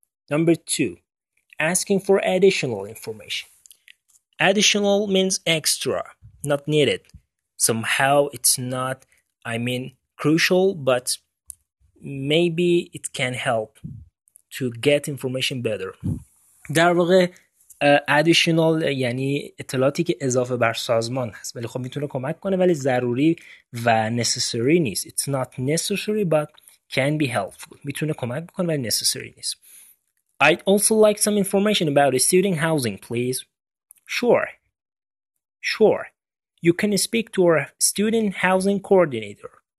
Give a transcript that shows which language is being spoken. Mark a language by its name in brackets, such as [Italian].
[English] Number two, asking for additional information. Additional means extra, not needed. Somehow it's not, crucial, but maybe it can help to get information better. [Persian] در واقع additional یعنی اطلاعاتی که اضافه بر سازمان هست. ولی خب میتونه کمک کنه ولی ضروری و necessary نیست. [English] It's not necessary but can be helpful. [Persian] میتونه کمک کنه ولی necessary نیست. [English] I'd also like some information about student housing, please. Sure. You can speak to our student housing coordinator.